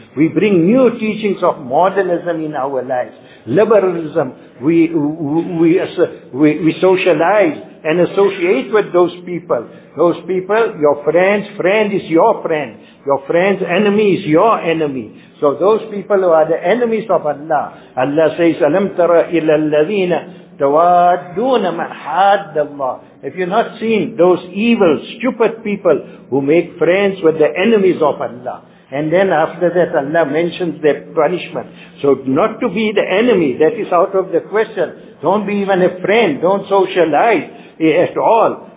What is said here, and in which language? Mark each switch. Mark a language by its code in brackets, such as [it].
[en] We bring new teachings of modernism in our lives, liberalism. We socialize and associate with those people. Those people, your friends, friend is your friend. Your friend's enemy is your enemy. So those people who are the enemies of Allah. Allah says, [ar] أَلَمْ تَرَ إِلَى الَّذِينَ تَوَادُّونَ مَنْ حَادَّ اللَّهِ. [en] Have you not seen those evil, stupid people who make friends with the enemies of Allah? And then after that Allah mentions their punishment. So not to be the enemy, that is out of the question. Don't be even a friend, don't socialize at all.